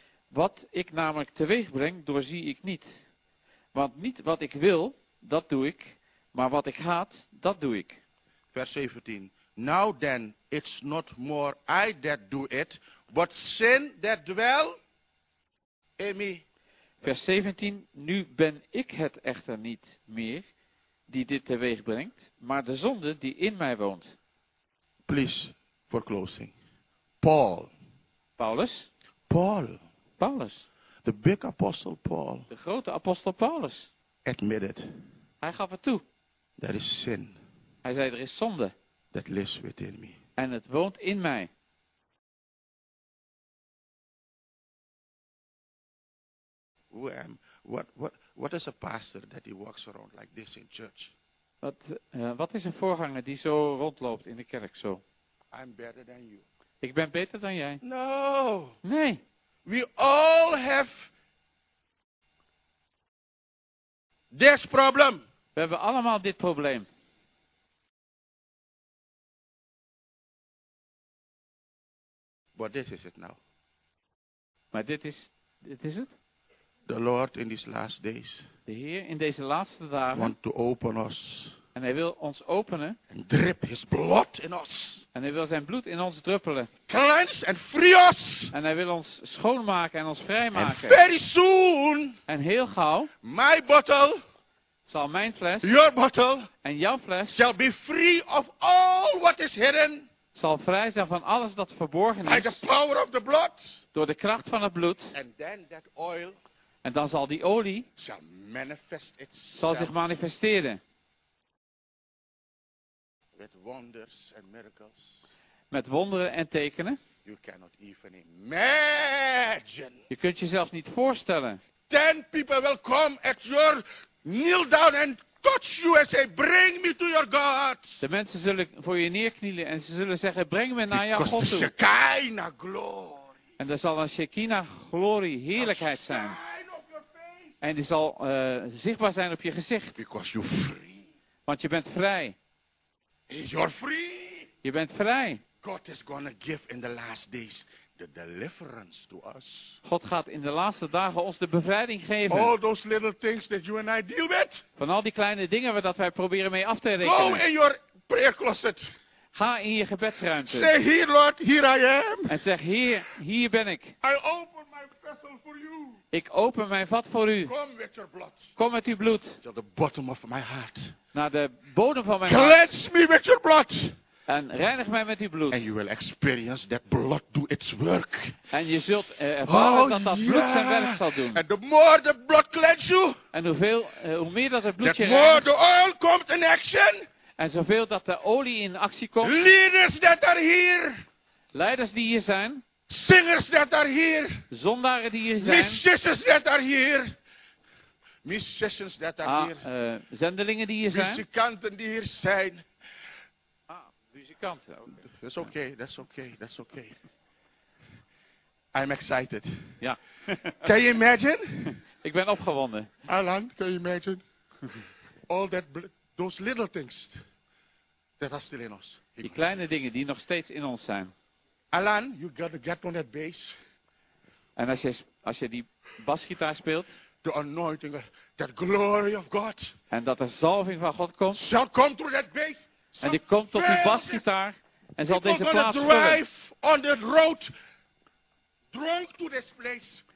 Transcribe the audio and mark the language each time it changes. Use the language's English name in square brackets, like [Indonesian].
[Dutch] Wat ik namelijk teweeg breng, doorzie ik niet. Want niet wat ik wil, dat doe ik, maar wat ik haat, dat doe ik. Vers 17. [English] Now then, it's not more I that do it, but sin that dwell in me. [Dutch] Vers 17. Nu ben ik het echter niet meer die dit teweeg brengt, maar de zonde die in mij woont. [English] Please, for closing. Paul. [Dutch] Paulus. [English] Paul. [Dutch] Paulus. [English] The big apostle Paul. [Dutch] De grote apostel Paulus. [English] Admitted. [Dutch] Hij gaf het toe. [English] There is sin. [Dutch] Hij zei, er is zonde. [English] That lives within me. [Dutch] En het woont in mij. [English] What is a pastor that he walks around like this in church? [Dutch] Wat is een voorganger die zo rondloopt in de kerk zo? [English] I'm better than you. [Dutch] Ik ben beter dan jij. [English] No. [Dutch] Nee. [English] We all have this problem. [Dutch] We hebben allemaal dit probleem. [English] But this is it now. [Dutch] Maar dit is het. [English] The Lord in these last days. [Dutch] De Heer in deze laatste dagen. [English] Want to open us. [Dutch] En hij wil ons openen. [English] And drip his blood in us. [Dutch] En hij wil zijn bloed in ons druppelen. [English] Cleanse and free us. [Dutch] En hij wil ons schoonmaken en ons vrijmaken. [English] And very soon. [Dutch] En heel gauw. [English] My bottle. [Dutch] Zal mijn fles. [English] Your bottle. [Dutch] En jouw fles. [English] Shall be free of all what is hidden. [Dutch] Zal vrij zijn van alles dat verborgen is. [English] By the power of the blood. [Dutch] Door de kracht van het bloed. [English] And then that oil. [Dutch] En dan zal die olie. [English] Shall manifest itself. [Dutch] Zal zich manifesteren. [English] With wonders and miracles. [Dutch] Met wonderen en tekenen. [English] You cannot even imagine. [Dutch] Je kunt jezelf niet voorstellen. [English] 10 people will come at your kneel down and touch you and say, bring me to your God. [Dutch] De mensen zullen voor je neerknielen en ze zullen zeggen, breng me naar jouw God toe. [English] The Shekinah glory. [Dutch] En er zal een Shekinah glorie, heerlijkheid zijn. En die zal zichtbaar zijn op je gezicht. [English] Because you're free. [Dutch] Want je bent vrij. [English] You're free. [Dutch] Je bent vrij. [English] God is gonna give in the last days the deliverance to us. [Dutch] God gaat in de laatste dagen ons de bevrijding geven. [English] All those little things that you and I deal with. [Dutch] Van al die kleine dingen dat wij proberen mee af te rekenen. [English] Go in your prayer closet. [Dutch] Ga in je gebedsruimte. [English] Say here, Lord, here I am. [Dutch] En zeg hier ben ik. [English] I open my prayer. [Dutch] Ik open mijn vat voor u. Kom met uw bloed. [English] To the bottom of my heart. [Dutch] Naar de bodem van mijn hart. [English] Cleanse me with your blood. [Dutch] En reinig mij met uw bloed. [English] And you will experience that blood do its work. [Dutch] En je zult ervaren dat bloed zijn werk zal doen. [English] And the more the blood cleanses you. [Dutch] En hoe meer dat het bloed je reinigt. [English] The more the oil comes in action. [Dutch] En zoveel dat de olie in actie komt. [English] Leaders that are here. [Dutch] Leiders die hier zijn. [English] Singers that are here. [Dutch] Zondaren die hier zijn. [English] Musicians that are here. Musicians that are here. [Dutch] Zendelingen die hier zijn. Muzikanten die hier zijn. Muzikanten. [English] Okay. That's okay, that's okay, that's okay. I'm excited. [Dutch] Ja. [English] Can you imagine? [Dutch] Ik ben opgewonden. [English] Alan, can you imagine? All that those little things that are still in us. [Dutch] Die kleine dingen die nog steeds in ons zijn. [English] Alan, you gotta get on that bass. [Dutch] En als je die basgitaar speelt. [English] The anointing, that glory of God. [Dutch] En dat de zalving van God komt. [English] Shall come through that bass. [Dutch] En die komt tot die basgitaar en zal deze plaats vullen. [English] Drive on the road, drunk to this place.